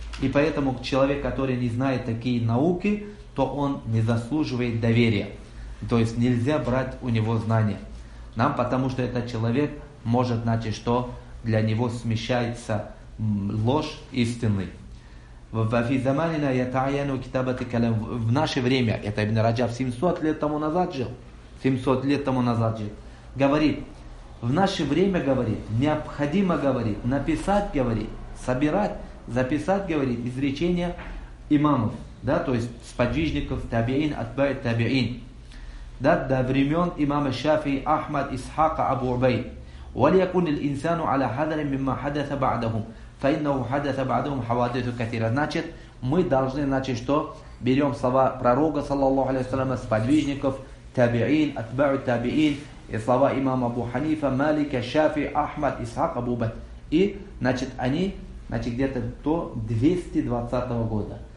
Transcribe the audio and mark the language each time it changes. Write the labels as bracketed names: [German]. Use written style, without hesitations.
[Russian] И поэтому человек, который не знает такие науки, то он не заслуживает доверия. То есть нельзя брать у него знания. Нам, потому что этот человек может, значит, что для него смещается ложь истинной. [Arabic] في زماننا يتعين كتابة كلام في [Russian] наше время. Это Ибн Раджаб 700 лет тому назад жил. 700 лет тому назад жил. Говорит, в наше время, говорит, необходимо, говорит, написать, говорит, собирать, записать, говорит, изречения имамов, да, то есть сподвижников, табиин, атбай, табиин. Да, до времен имама Шафии, Ахмад, Исхака, Абу Убайд. [Arabic] وليكن الإنسان على حذر مما حدث بعدهم فإنه حدث بعدهم حوادث كثيرة. [Russian] Значит, мы должны, значит, что? Берем слова пророка, саллаллаху алейхи ва саллям, сподвижников, табиин, атбау табиин, и слова имама Абу Ханифа, Малика, Шафи, Ахмад, Исхак, Абу Бат. И, значит, они, значит, где-то до 220 года.